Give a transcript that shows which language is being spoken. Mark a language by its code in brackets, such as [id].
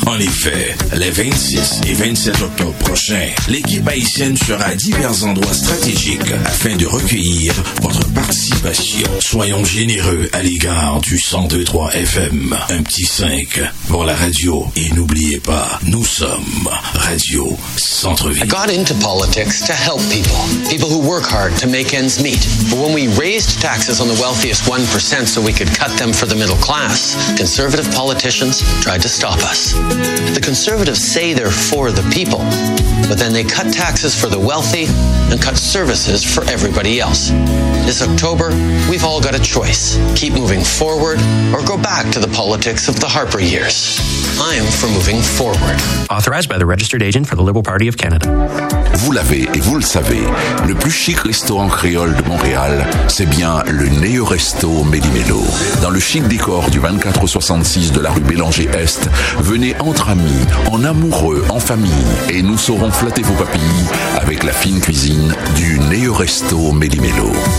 [fr] En effet, les 26 et 27 octobre prochains, l'équipe haïtienne sera à divers endroits stratégiques afin de recueillir votre participation. Soyons généreux à l'égard du 102.3 FM. Un petit 5 pour la radio. Et n'oubliez pas, nous sommes Radio Centre-Ville. [en] I got into politics to help people. People who work hard to make ends meet. But when we raised taxes on the wealthiest 1% so we could cut them for the middle class, conservative politicians tried to stop us. The conservatives say they're for the people, but then they cut taxes for the wealthy and cut services for everybody else. This October, we've all got a choice. Keep moving forward or go back to the politics of the Harper years. I'm for moving forward. Authorized by the Registered Agent for the Liberal Party of Canada. [fr] Vous l'avez et vous le savez, le plus chic restaurant créole de Montréal, c'est bien le Neo Resto Méli-Mélo. Dans le chic décor du 2466 de la rue Bélanger-Est, venez entre amis, en amoureux, en famille, et nous saurons flatter vos papilles avec la fine cuisine du Neo Resto Méli-Mélo.